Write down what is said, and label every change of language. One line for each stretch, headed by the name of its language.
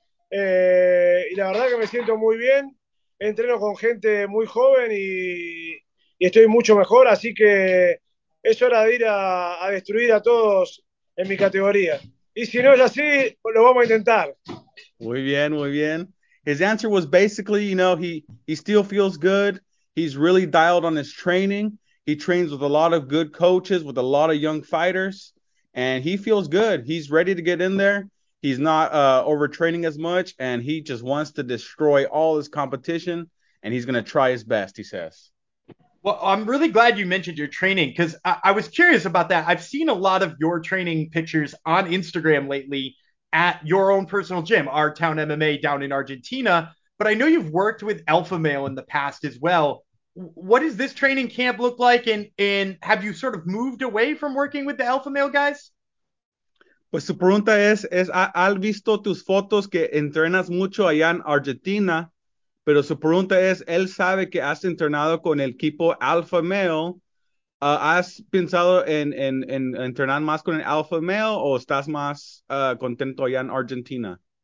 Spanish: Y la verdad que me siento muy bien. Entreno con gente muy joven y estoy mucho mejor, así que es hora de ir a destruir a todos en mi categoría. Y si no es así, lo vamos a intentar. Muy bien, muy bien.
English: His answer was basically, you know, he still feels good. He's really dialed on his training. He trains with a lot of good coaches, with a lot of young fighters. And he feels good. He's ready to get in there. He's not overtraining as much. And he just wants to destroy all his competition. And he's going to try his best, he says. Well, I'm really glad you mentioned your training, because I was curious about that. I've seen a lot of your training pictures on Instagram lately at your own personal gym, Our Town MMA down in Argentina. But I know you've worked with Alpha Male in the past as well. What does this training camp look like? And have you sort of moved away from working with the Alpha Male guys?
Spanish: Pues su pregunta es ¿has visto tus fotos que entrenas mucho allá en Argentina? Pero su pregunta es, ¿él sabe que has entrenado con el equipo Alpha Male? ¿Has pensado en entrenar más con el Alpha Male o estás más contento allá en Argentina?